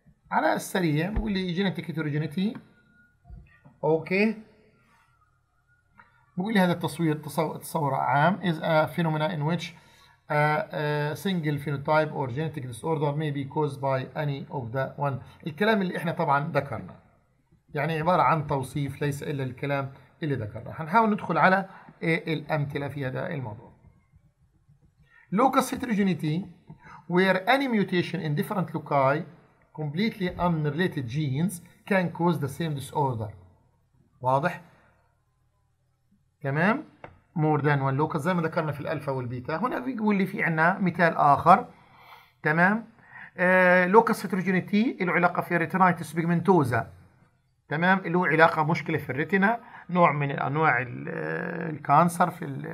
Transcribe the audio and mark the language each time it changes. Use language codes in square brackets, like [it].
[ar] على السريع بقول لي جينيتيك هيتروجينيتي اوكي، بقول لي هذا التصوير تصور عام [en] is a phenomena in which a single phenotype or genetic disorder may be caused by any of the one. [ar] الكلام اللي احنا طبعا ذكرنا يعني عبارة عن توصيف ليس الا الكلام اللي ذكرنا. هنحاول ندخل على الامثلة في هذا الموضوع. [en] locus heterogeneity where any mutation in different loci completely unrelated genes can cause the same disorder. [ar] واضح تمام. [en] more than one locus [ar] زي ما ذكرنا في الالفا والبيتا. هنا بيقول لي في عنا مثال اخر تمام locus heterogeneity له علاقه في retinitis pigmentosa تمام، له علاقه مشكله في الريتنا، نوع من انواع الكانسر في